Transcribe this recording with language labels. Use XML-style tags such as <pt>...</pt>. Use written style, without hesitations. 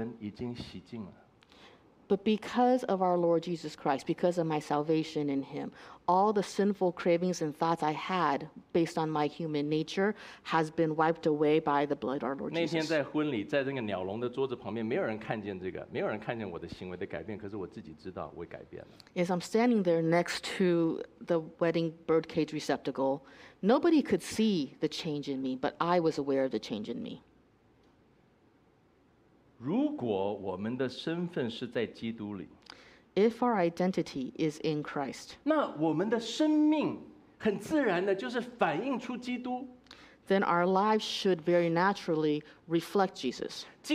<zh>但是今天因为耶稣基督那个罪的那个思想，那个罪的那种性情，已经什么被神的拯救，被耶稣的救恩已经洗净了。</zh> <en>But because of our Lord Jesus Christ, because of my salvation in Him, all the sinful cravings and thoughts I had based on my human nature has been wiped away by the blood of our Lord Jesus. As I'm standing there next to the wedding birdcage receptacle, nobody could see the change in me, but I was aware of the change in me.</en> <zh>如果我们的身份是在基督里,</zh> <en>If our identity is in Christ, then our lives should very naturally reflect Jesus.</en>